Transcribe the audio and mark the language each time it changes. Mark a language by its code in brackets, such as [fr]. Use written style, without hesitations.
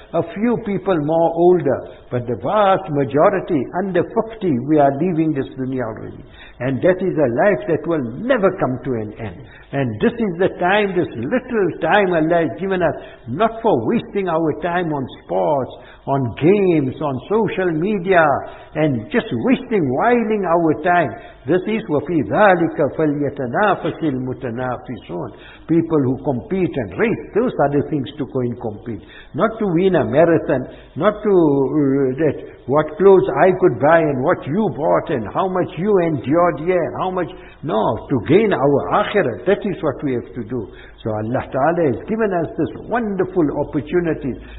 [en] A few people more older. But the vast majority, under 50, we are leaving this dunya already. And that is a life that will never come to an end. And this is the time, this little time Allah has given us, not for wasting our time on sports, on games, on social media, and just wasting, whiling our time. This is [ar] وَفِي ذَٰلِكَ فَلْيَتَنَافَسِ الْمُتَنَافِسُونَ. [en] People who compete and race, those are the things to go and compete. Not to win a marathon, not to that what clothes I could buy and what you bought and how much you endured here and how much. No, to gain our akhirah, that is what we have to do. So Allah Ta'ala has given us this wonderful opportunity.